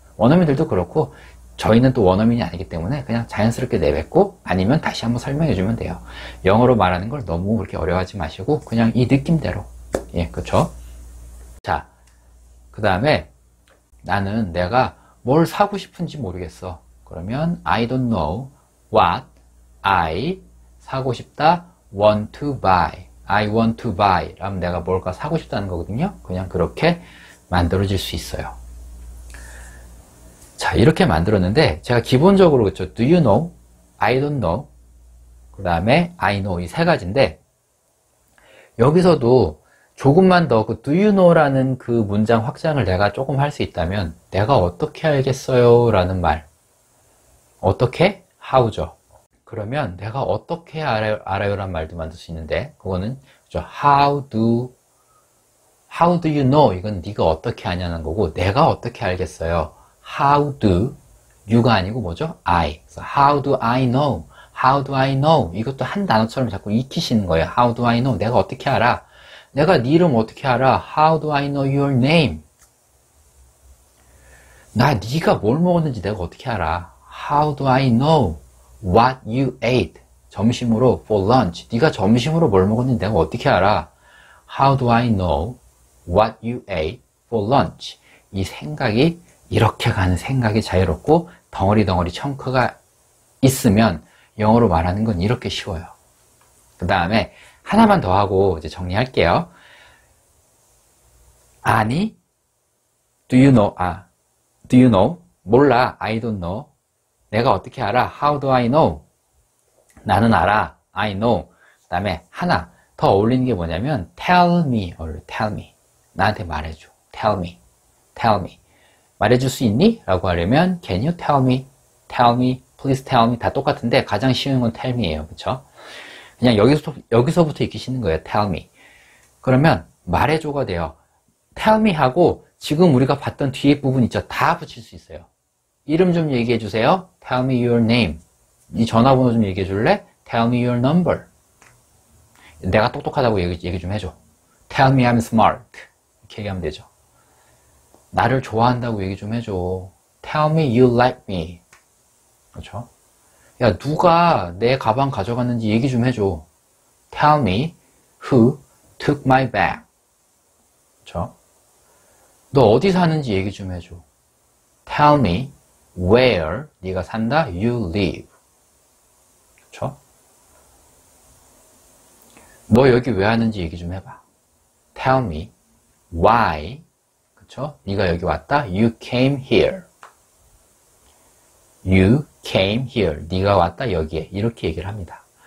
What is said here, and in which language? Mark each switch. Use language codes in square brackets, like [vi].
[ko] 원어민들도 그렇고 저희는 또 원어민이 아니기 때문에 그냥 자연스럽게 내뱉고 아니면 다시 한번 설명해 주면 돼요. 영어로 말하는 걸 너무 그렇게 어려워하지 마시고 그냥 이 느낌대로. 예, 그쵸? 자, 그 다음에 나는 내가 뭘 사고 싶은지 모르겠어. [en] 그러면 I don't know what I [ko] 사고 싶다 [en] want to buy. I want to buy. [ko] 라면 내가 뭘까 사고 싶다는 거거든요. 그냥 그렇게 만들어질 수 있어요. 자, 이렇게 만들었는데 제가 기본적으로 그쵸? [en] Do you know? I don't know, [ko] 그 다음에 I know 이세 가지인데, 여기서도 조금만 더그 do you know라는 그 문장 확장을 내가 조금 할수 있다면, 내가 어떻게 알겠어요? 라는 말. 어떻게? How죠. 그러면 내가 어떻게 알아요란 말도 만들 수 있는데, 그거는 그렇죠. [en] How do you know? [ko] 이건 네가 어떻게 아냐는 거고, 내가 어떻게 알겠어요? [en] How do you [ko] 가 아니고 뭐죠? [en] I. How do I know? How do I know? [ko] 이것도 한 단어처럼 자꾸 익히시는 거예요. [en] How do I know? [ko] 내가 어떻게 알아? 내가 네 이름 어떻게 알아? [en] How do I know your name? [ko] 나 네가 뭘 먹었는지 내가 어떻게 알아? [en] How do I know what you ate? [ko] 점심으로 [en] for lunch. [ko] 네가 점심으로 뭘 먹었는지 내가 어떻게 알아? [en] How do I know what you ate for lunch? [ko] 이 생각이 이렇게 가는 생각이 자유롭고 덩어리덩어리 덩어리 청크가 있으면 영어로 말하는 건 이렇게 쉬워요. 그 다음에 하나만 더 하고 이제 정리할게요. [en] 아니, do you know? 아, do you know? [ko] 몰라, [en] I don't know. [ko] 내가 어떻게 알아? [en] How do I know? [ko] 나는 알아, [en] I know. [ko] 그 다음에 하나 더 어울리는 게 뭐냐면 [en] tell me or tell me. [ko] 나한테 말해줘. [en] Tell me, tell me. [ko] 말해줄 수 있니? 라고 하려면 [en] can you tell me? Tell me, please tell me. [ko] 다 똑같은데 가장 쉬운 건 [en] tell me예요, 그쵸? [ko] 그냥 여기서부터 익히시는 거예요. [en] Tell me. [ko] 그러면 말해줘가 돼요. [en] Tell me [ko] 하고 지금 우리가 봤던 뒤에 부분 있죠? 다 붙일 수 있어요. 이름 좀 얘기해 주세요. [en] Tell me your name. [ko] 네 전화번호 좀 얘기해 줄래? [en] Tell me your number. [ko] 내가 똑똑하다고 얘기 좀 해줘. [en] Tell me I'm smart. [ko] 이렇게 얘기하면 되죠. 나를 좋아한다고 얘기 좀 해줘. [en] Tell me you like me. [ko] 그렇죠? 야, 누가 내 가방 가져갔는지 얘기 좀 해줘. [en] Tell me who took my bag. [ko] 그렇죠? 너 어디 사는지 얘기 좀 해줘. [en] Tell me where [ko] 네가 산다. [en] You live. [ko] 그렇죠? 너 여기 왜 왔는지 얘기 좀 해봐. [en] Tell me why. [ko] 그렇죠? 네가 여기 왔다. [en] You came here. You came here. [ko] 네가 왔다 여기에. 이렇게 얘기를 합니다.